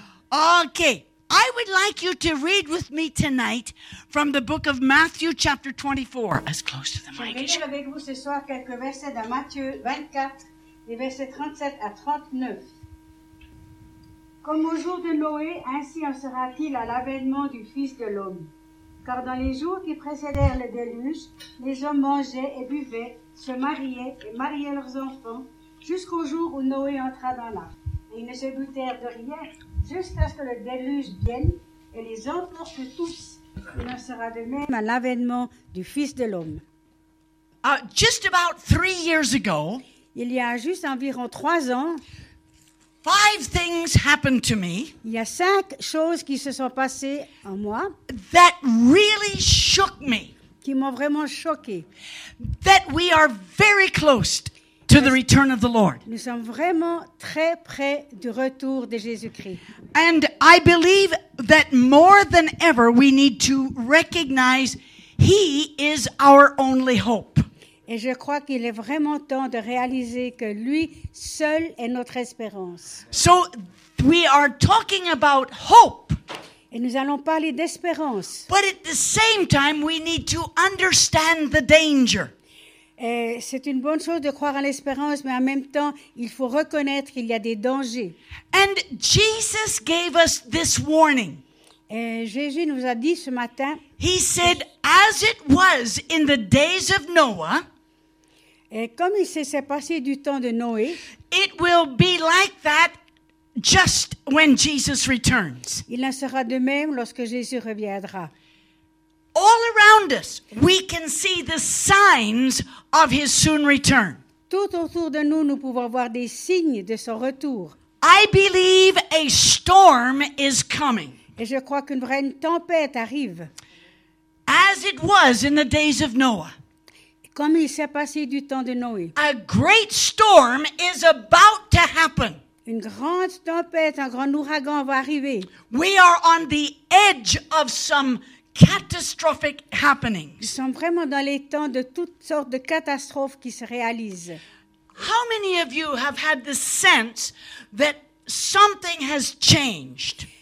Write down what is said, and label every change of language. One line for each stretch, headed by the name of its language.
English: Okay, I would like you to read with me tonight from the book of Matthew chapter 24. As close to the mic as you.
French: Je vais lire avec vous ce soir quelques versets de Matthieu 24, les versets 37 à 39. Comme au jour de Noé, ainsi en sera-t-il à l'avènement du Fils de l'homme. Car dans les jours qui précédèrent le déluge, les hommes mangeaient et buvaient, se mariaient et mariaient leurs enfants, jusqu'au jour où Noé entra dans l'arche. Ils ne se doutèrent de rien, jusqu'à ce que le déluge vienne et les emporte tous. Il en sera de même à l'avènement du Fils de l'homme.
English: Just about 3 years ago,
French: il y a juste environ 3 ans,
English: five things happened to me.
French: Il y a 5 choses qui se sont passées en moi.
English: That really shook me.
French: Qui m'ont vraiment choqué.
English: That we are very close to the return of the Lord.
French: Nous sommes vraiment très près du retour de Jésus-Christ.
English: And I believe that more than ever we need to recognize he is our only hope.
French: Et je crois qu'il est vraiment temps de réaliser que lui seul est notre espérance.
English: So we are talking about hope.
French: Et nous allons parler d'espérance.
English: But at the same time we need to understand the danger.
French: Et c'est une bonne chose de croire à l'espérance, mais en même temps, il faut reconnaître qu'il y a des dangers.
English: And Jesus gave us this warning.
French: Et Jésus nous a dit ce matin.
English: He said, as it was in the days of Noah.
French: Et comme il s'est passé du temps de Noé.
English: It will be like that just when Jesus returns.
French: Il en sera de même lorsque Jésus reviendra.
English: All around us, we can see the signs of his soon return.
French: Tout autour de nous, nous pouvons voir des signes de son retour.
English: I believe a storm is coming.
French: Et je crois qu'une vraie tempête arrive.
English: As it was in the days of Noah.
French: Comme il s'est passé du temps de Noé.
English: A great storm is about to happen.
French: Une grande tempête, un grand ouragan va arriver.
English: We are on the edge of some catastrophic happenings.
French: Nous sommes vraiment dans les temps de toutes sortes de catastrophes qui se réalisent.
English: How many of you have had the sense that something has changed?